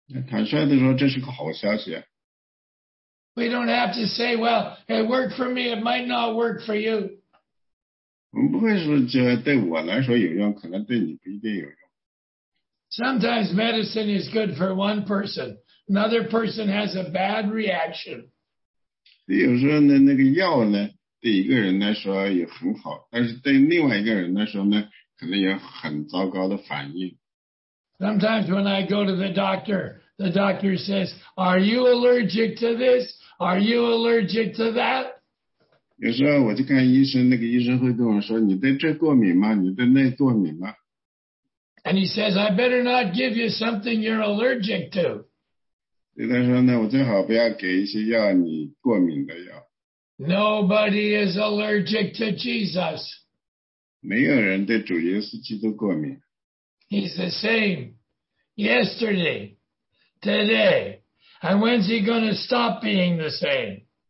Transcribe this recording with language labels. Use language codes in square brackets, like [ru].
[zh] 坦率地说, 这是个好消息。 [en] We don't have to say, well, it worked for me, it might not work for you. [zh] 我们不会说对我来说有用, 可能对你不一定有用。 [en] Sometimes medicine is good for one person, another person has a bad reaction. [zh] 有时候呢, 那个药呢, 对一个人来说也很好, 但是对另外一个人来说呢, 可能有很糟糕的反应。 [en] Sometimes when I go to the doctor, the doctor says, are you allergic to this? Are you allergic to that? [zh] 有时候我就看医生, 那个医生会跟我说, 你对这过敏吗? 你对那过敏吗? [en] And he says, I better not give you something you're allergic to. [zh] 对他说呢, 我最好不要给一些药你过敏的药。 [en] Nobody is allergic to Jesus. [zh] 没有人对主耶稣基督过敏。 [en] He's the same yesterday, today, and when's he going to stop being the same?